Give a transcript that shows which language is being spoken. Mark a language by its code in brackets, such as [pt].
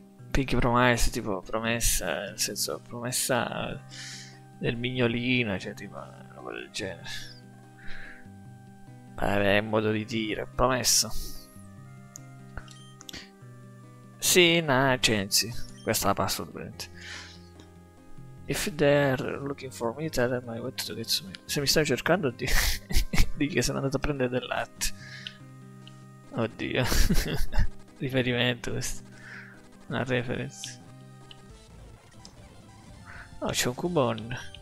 [it] Pinky Promise, tipo promessa, nel senso promessa del mignolino, cioè tipo roba del genere. Vabbè, è un modo di dire, promessa. Sì, nah, censi. Questa è la password, ovviamente. [en] If they're looking for me, tell them I went to get some milk. [it] Se mi stai cercando, di di che sono andato a prendere del latte. Oddio. Riferimento questo. Una reference. Oh, c'è un cubon.